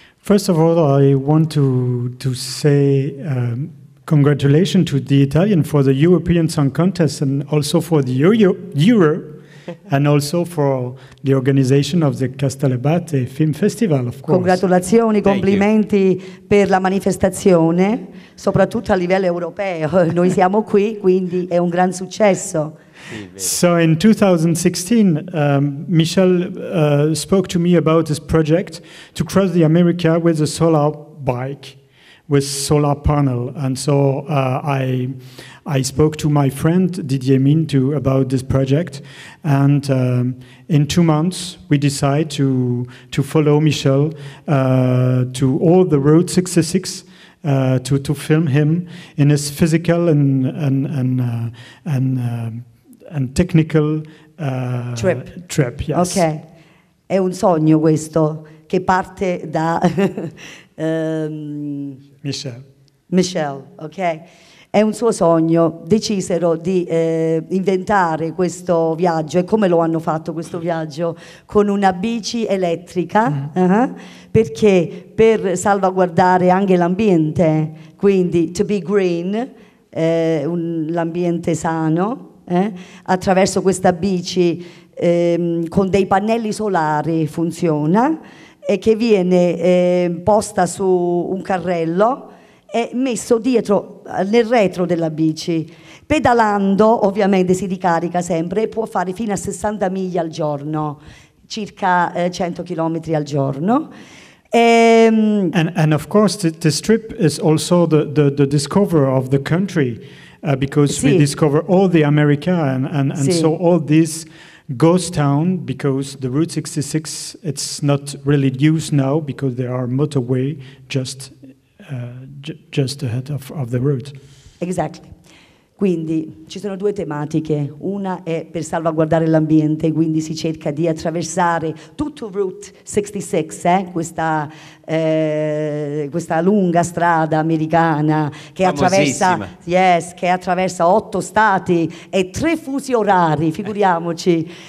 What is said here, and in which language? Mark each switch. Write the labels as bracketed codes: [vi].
[en] First of all, I want to say congratulations to the Italian for the European Song Contest and also for the Euro and also for the organization of the Castellabate Film Festival, of course. [it] Congratulazioni, complimenti per la manifestazione, soprattutto a livello europeo. Noi siamo qui, quindi è un gran successo. [en] So in 2016, Michelle spoke to me about this project to cross the America with a solar bike, with solar panel. And so I spoke to my friend Didier Mintu about this project. And in 2 months, we decide to follow Michelle to all the Road 66. To film him in his physical and technical trip. Yes. [it] Okay, è un sogno questo che parte da Michelle. Okay, è un suo sogno. Decisero di inventare questo viaggio. E come lo hanno fatto questo viaggio? Con una bici elettrica. Mm-hmm. Perché per salvaguardare anche l'ambiente, quindi [en] to be green, [it] l'ambiente sano, attraverso questa bici con dei pannelli solari funziona, e che viene posta su un carrello e messo dietro nel retro della bici. Pedalando ovviamente si ricarica sempre e può fare fino a 60 miglia al giorno, circa 100 chilometri al giorno. [en] And of course this trip is also the discover of the country, because sì, we discover all the America and sì, so all this ghost town, because the Route 66, it's not really used now because there are motorway just ahead of the route. [it] Exactly. Quindi ci sono due tematiche. Una è per salvaguardare l'ambiente, quindi si cerca di attraversare tutto Route 66, questa lunga strada americana che attraversa, yes, che attraversa 8 stati e 3 fusi orari, figuriamoci.